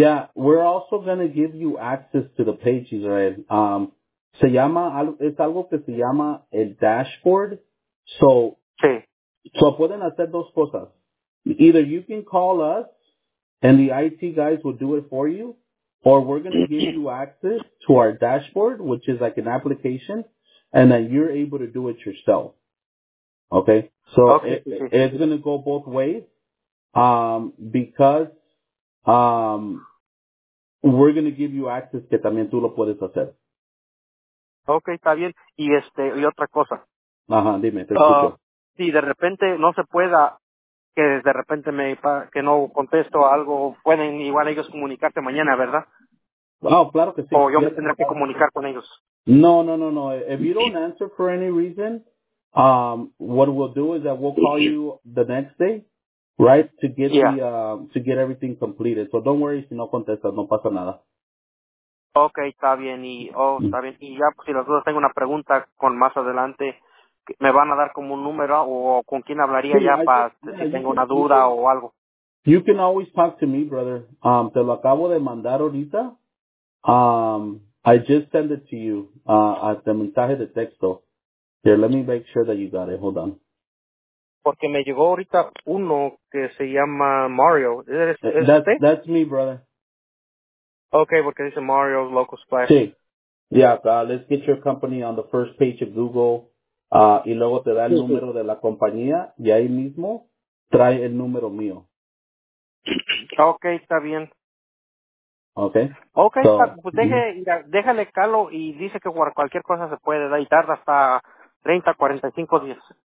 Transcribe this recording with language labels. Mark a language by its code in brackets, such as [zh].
[en] Yeah, we're also going to give you access to the page, Israel. [es] Se llama, es algo que se llama el dashboard. [en] So, [es] sí. So pueden hacer dos cosas. [en] Either you can call us and the IT guys will do it for you, or we're going to give you access to our dashboard, which is like an application, and then you're able to do it yourself. Okay? It's going to go both ways. Because we're going to give you access [es] que también tú lo puedes hacer. Okay, está bien. Y y otra cosa. Ajá, dime, te escucho. Si de repente no se pueda, que de repente que no contesto algo, pueden igual ellos comunicarte mañana, ¿verdad? Oh, claro que sí. O yo me tendré que comunicar con ellos. No. [en] If you don't answer for any reason, what we'll do is that we'll call you the next day. Right, to get everything completed. So don't worry, [es] si no contestas, no pasa nada. Okay, está bien. Está bien. Y ya, si las dudas, tengo una pregunta con más adelante. ¿Me van a dar como un número o con quién hablaría si tengo una duda o algo? [en] You can always talk to me, brother. [es] Te lo acabo de mandar ahorita. [en] I just send it to you as the [es] mensaje de texto. [en] Here, let me make sure that you got it. Hold on. [es] Porque me llegó ahorita uno que se llama Mario. [en] That's me, brother. [es] Okay, porque dice Mario Local Splash. Sí. [en] Yeah, let's get your company on the first page of Google. [es] Y luego te da el número de la compañía. Y ahí mismo trae el número mío. Okay, está bien. Okay. Okay, déjale Calo y dice que cualquier cosa se puede dar y tarda hasta 30, 45 días.